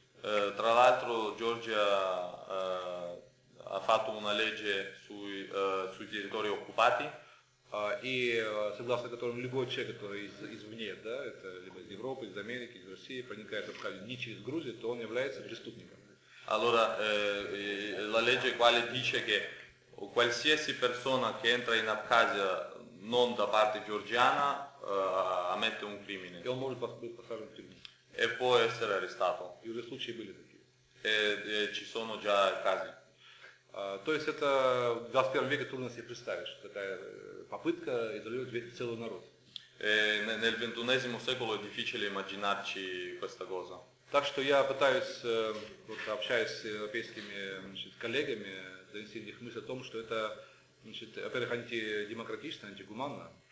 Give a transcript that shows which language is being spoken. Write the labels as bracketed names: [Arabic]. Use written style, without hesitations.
[Italian] Tra l'altro, Georgia ha fatto una legge sui territori occupati. [Russian] И согласно которому любой человек, который извне, да, это либо из Европы, из Америки, из России, проникает в Абхазию не через Грузию, то он является преступником. [Italian] Allora, la legge quale dice che qualsiasi persona che entra in Abkhazia non da parte georgiana ammette un crimine. [Russian] И он может быть посажен в тюрьму. [Italian] E può essere arrestato. [Russian] И уже случаи были такие. [Italian] E ci sono già casi. [Russian] То есть это в 21 веке трудно себе представить, что такая попытка изолировать целый народ. [Italian] Nel XXI secolo è difficile immaginarci questa cosa. [Russian] Так что я пытаюсь, вот, общаясь с европейскими, значит, коллегами, донести их мысль о том, что это, значит, во-первых, антидемократично, антигуманно.